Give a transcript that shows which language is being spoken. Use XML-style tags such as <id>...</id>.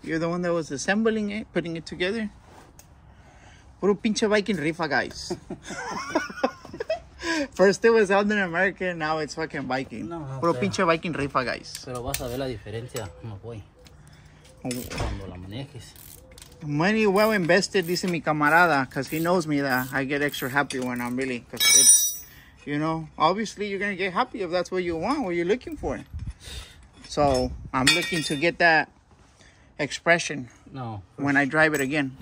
<en>You're the one that was assembling it, putting it together?</en> <es>Puro pinche Viking rifa, guys.</es> <en>First it was Elden American, now it's fucking Viking.</en> <es>No, puro pinche Viking rifa, guys. Pero vas a ver la diferencia, no voy. Cuando la manejes.</es> <en>Money well invested,</en> <es>dice mi camarada,</es> <en>because he knows me that I get extra happy when I'm really, because it's, you know, obviously you're going to get happy if that's what you want, what you're looking for. So, I'm looking to get that expression when I drive it again.</en>